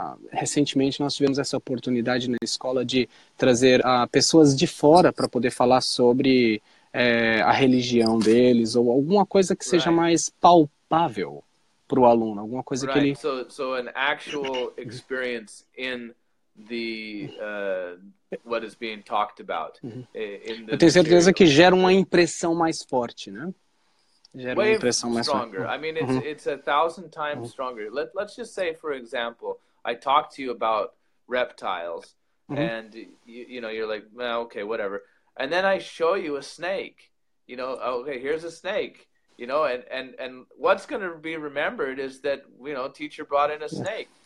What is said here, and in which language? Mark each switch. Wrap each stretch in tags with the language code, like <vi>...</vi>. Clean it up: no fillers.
<pt>recentemente nós tivemos essa oportunidade na escola de trazer pessoas de fora para poder falar sobre... a religião deles ou alguma coisa que seja mais palpável para o aluno, alguma coisa que ele</pt> <en>so an actual experience in the what is being talked about.</en> <pt>Eu tenho certeza que gera uma impressão mais forte, né? Gera uma impressão mais</pt> <en>stronger.</en> <pt>Forte.</pt> <en>I mean it's a thousand times stronger. Let's just say for example, I talked to you about reptiles and you know you're like, well, okay, whatever. And then I show you a snake, you know, okay, here's a snake, you know, and what's going to be remembered is that, you know, teacher brought in a snake.</en>